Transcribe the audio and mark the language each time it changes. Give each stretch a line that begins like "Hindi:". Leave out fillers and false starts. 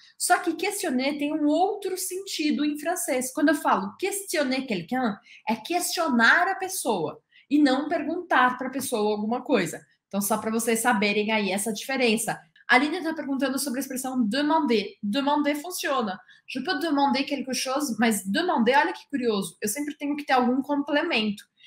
Portuguese: Só que questionner tem um outro sentido em francês. Quando eu falo questionner quelqu'un, é questionar a pessoa e não perguntar para a pessoa alguma coisa. Então, só para vocês saberem aí essa diferença. A Aline está perguntando sobre a expressão demander. Demander funciona.
French: Je peux demander quelque chose,
Portuguese: mas demander, olha que curioso. Eu sempre tenho que ter algum complemento.